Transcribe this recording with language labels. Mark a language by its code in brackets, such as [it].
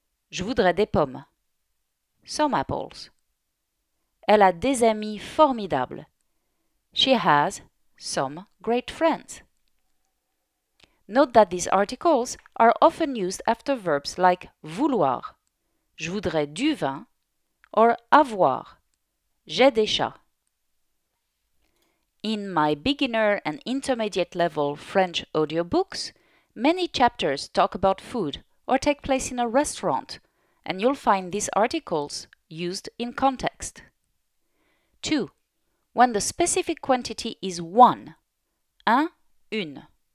[fr] Je voudrais des pommes, [en] some apples. [fr] Elle a des amis formidables. [en] She has some great friends. Note that these articles are often used after verbs like vouloir. [fr] Je voudrais du vin, or avoir, j'ai des chats. [en] In my beginner and intermediate level French audiobooks, many chapters talk about food or take place in a restaurant, and you'll find these articles used in context. 2. When the specific quantity is one, un, une.